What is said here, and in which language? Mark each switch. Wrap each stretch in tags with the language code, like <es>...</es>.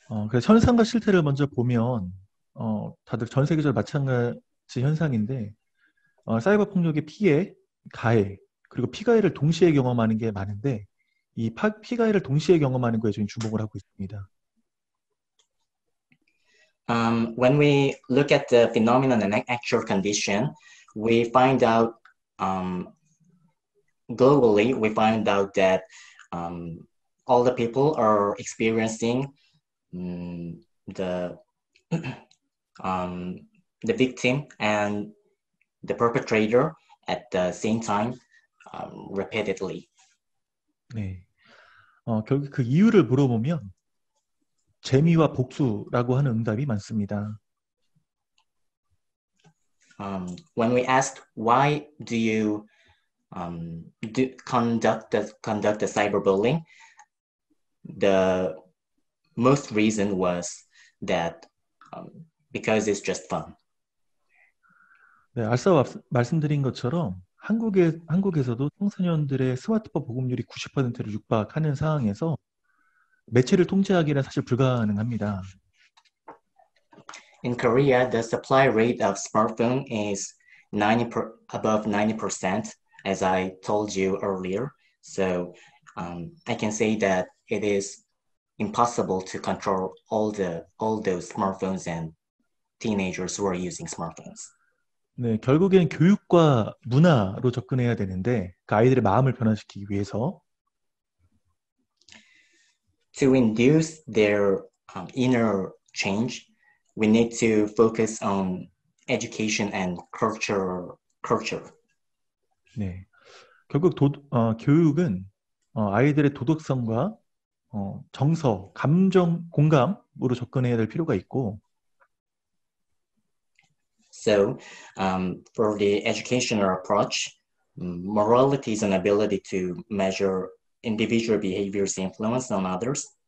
<ko>그래서 현상과 실태를 먼저 보면 다들 전 세계적으로 마찬가지 현상인데 사이버 폭력의 피해, 가해 그리고 피가해를 동시에 경험하는 게 많은데 이 피가해를 동시에 경험하는 거에 지금 주목을 하고 있습니다.</ko> <en>When we look at the phenomenon and actual condition, we find out globally, we find out that all the people are experiencing the victim and the perpetrator at the same time repeatedly.</en> <ko>네. 결국 그 이유를 물어보면 재미와 복수라고 하는 응답이 많습니다.</ko> <en>When we asked why do you conduct the cyberbullying, the most reason was that because it's just fun.</en> <ko>네, 앞서 말씀드린 것처럼 한국에서도 청소년들의 스마트폰 보급률이 90%를 육박하는 상황에서 매체를 통제하기는 사실 불가능합니다.</ko> <en>In Korea, the supply rate of smartphone is above 90%, as I told you earlier. So I can say that it is impossible to control all those smartphones and teenagers who are using smartphones.</en> <ko>네, 결국엔 교육과 문화로 접근해야 되는데 그 아이들의 마음을 변화시키기 위해서</ko> <en>To induce their inner change, we need to focus on education and culture.</en> <ko>네, 결국 교육은 아이들의 도덕성과 정서, 감정, 공감으로 접근해야 될 필요가 있고</ko> <en>So, for the educational approach, morality is an ability to measure individual behavior's influence on others.</en>